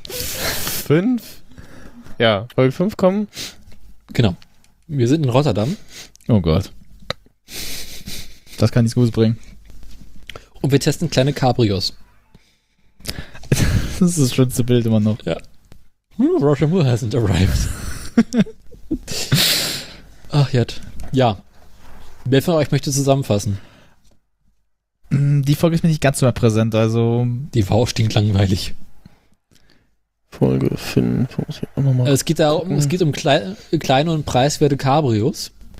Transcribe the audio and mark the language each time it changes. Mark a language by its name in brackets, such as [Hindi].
[German] 5? Ja, Folge 5 kommen. Genau. Wir sind in Rotterdam. Oh Gott. Das kann nichts Gutes bringen. Und wir testen kleine Cabrios. Das ist das schönste Bild immer noch. Ja. [English] Roger Moore hasn't arrived. [German] Ach, jetzt. Ja. Wer von euch möchte zusammenfassen? Die Folge ist mir nicht ganz so mehr präsent, also... Die war auch stinkt langweilig. Folge 5. Muss ich auch nochmal es geht da um, es geht um kleine und preiswerte Cabrios.